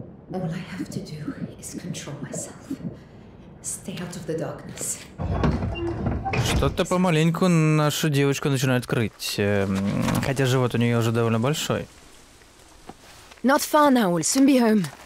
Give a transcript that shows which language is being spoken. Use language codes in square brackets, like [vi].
[en] All I have to do is control myself. Stay out of the darkness. [ru] Что-то помаленьку нашу девочку начинает крыть. Хотя живот у нее уже довольно большой. [en] Not far now, we'll soon be home.